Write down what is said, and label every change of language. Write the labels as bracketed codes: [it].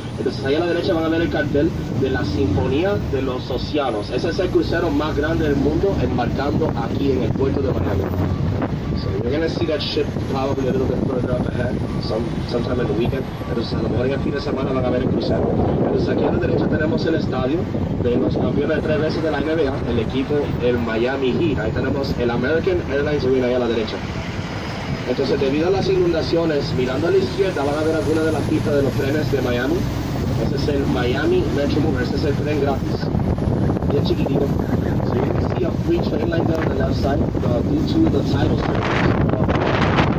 [es] Entonces ahí a la derecha van a ver el cartel de la Sinfonía de los Océanos. Ese es el crucero más grande del mundo embarcando aquí en el puerto de Miami. [en] So you're gonna see that ship probably a little bit further up ahead, sometime in the weekend. [es] Entonces a lo mejor en el fin de semana van a ver el crucero. Entonces aquí a la derecha tenemos el estadio de los campeones tres veces de la NBA, el equipo, el Miami Heat. Ahí tenemos el American Airlines Arena ahí a la derecha. Entonces, debido a las inundaciones, mirando a la izquierda, van a ver alguna de las pistas de los trenes de Miami. Ese es el Miami Metro Mover. Ese es el tren gratis. Bien chiquitito. [en] So you can see a free train line there on the left side, due to the tidal surge.